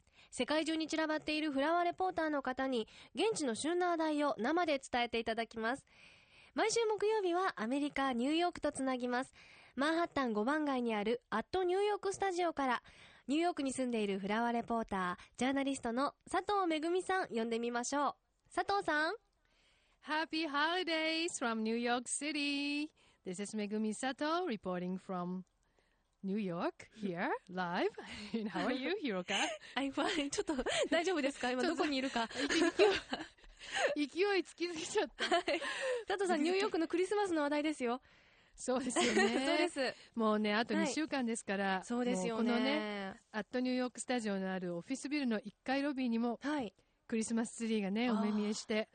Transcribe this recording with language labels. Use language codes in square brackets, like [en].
[ja] 世界中に散らばっているフラワーレポーターの方に現地の旬な話題を生で伝えていただきます。毎週木曜日はアメリカ・ニューヨークとつなぎます。マンハッタン5番街にあるアットニューヨークスタジオから、ニューヨークに住んでいるフラワーレポーター、ジャーナリストの佐藤めぐみさん呼んでみましょう。佐藤さん、 [en] Happy Holidays from New York City. This is Megumi Sato reporting from New York here live. How are you, Hiroka? I'm fine. [ja] ちょっと大丈夫ですか、今どこにいるか。勢いつきすぎちゃった、はい、佐藤さん、ニューヨークのクリスマスの話題ですよ。そうですよねそうです、もうね、あと2週間ですから、はい、そうですよね。このね、アットニューヨークスタジオのあるオフィスビルの1階ロビーにも、はい、クリスマスツリーがね、お目見えして。